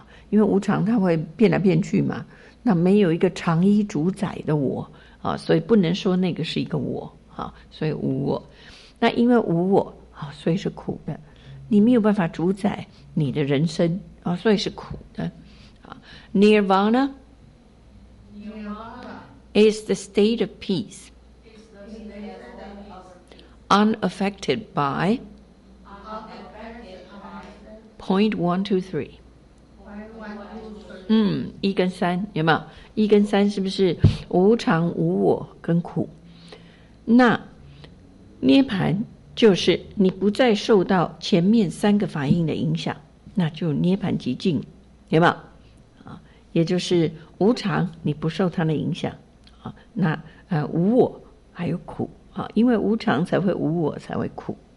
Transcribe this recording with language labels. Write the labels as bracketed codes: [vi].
[zh] 因为无常它会变来变去嘛，那没有一个长衣主宰的我所以不能说那个是一个我所以无我。那因为无我所以是苦的，你没有办法主宰你的人生所以是苦的。 [en] Nirvana is the state of peace unaffected by point 1, 2, 3. [zh] 一跟三有没有？一跟三是不是无常、无我跟苦？那涅槃就是你不再受到前面三个法印的影响，那就涅槃极境，有没有？也就是无常，你不受它的影响那无我还有苦因为无常才会无我，才会苦。